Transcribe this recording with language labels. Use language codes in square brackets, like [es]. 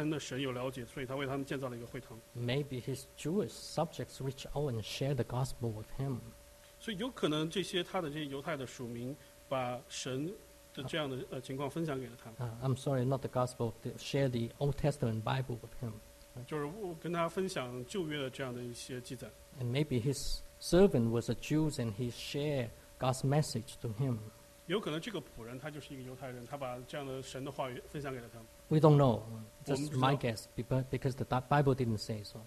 [zh] 这个百夫长他经过这些接触，对犹太人的神有了解，所以他为他们建造了一个会堂。 [en] Maybe his Jewish subjects reached out and shared the gospel with him. [zh] 所以有可能这些他的这些犹太的属民把神的这样的情况分享给了他。 [en] I'm sorry, not the gospel, share the Old Testament Bible with him. [zh] 就是跟他分享旧约的这样的一些记载。 [en] And maybe his servant was a Jew and he shared God's message to him. [zh] 有可能这个仆人他就是一个犹太人，他把这样的神的话语分享给了他们。 [en] We don't know, just my guess, because the Bible didn't say so.